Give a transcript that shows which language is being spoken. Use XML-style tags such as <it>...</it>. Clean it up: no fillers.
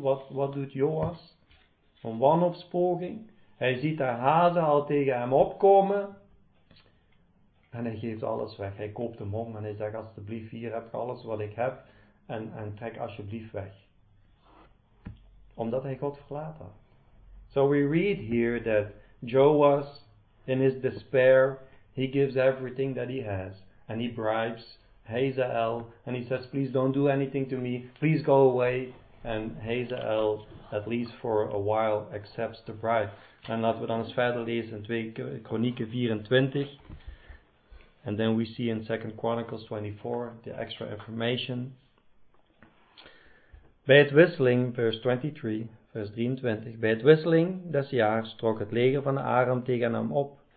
<nl>Wat doet Joas? Een wanhoopspoging. Hij ziet daar Hazael tegen hem opkomen. En hij geeft alles weg. Hij koopt hem om en hij zegt, alsjeblieft, hier heb je alles wat ik heb. En trek alsjeblieft weg. Omdat hij God verlaat had.</nl> <en>So we read here that Joas, in his despair, he gives everything that he has. And he bribes Hazael. And he says, please don't do anything to me. Please go away. And Hazael, at least for a while, accepts the bribe.</en> <nl>En laten we dan eens verder lezen in 2 Kronieken 24.</nl> <en>And then we see in 2 Chronicles 24 the extra information.</en> <nl>Bij het wisseling, vers 23, vers 23, bij het wisseling des jaars trok het leger van Aram tegen hem op.</nl>